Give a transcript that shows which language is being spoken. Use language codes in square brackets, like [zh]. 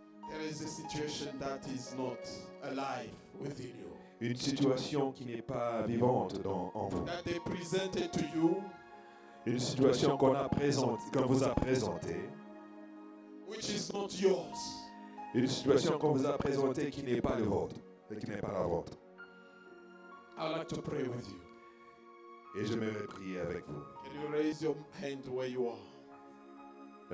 [en] There is a situation that is not alive within you. [fr] Une situation qui n'est pas vivante en vous. [en] That they presented to you. [fr] Une situation qu'on vous a présenté, [en] which is not yours. [fr] Une situation qu'on vous a présentée qui n'est pas le vôtre, qui n'est pas la vôtre. [en] I'd like to pray with you. [fr] Et je me vais prier avec vous. [en] Can you raise your hand where you are?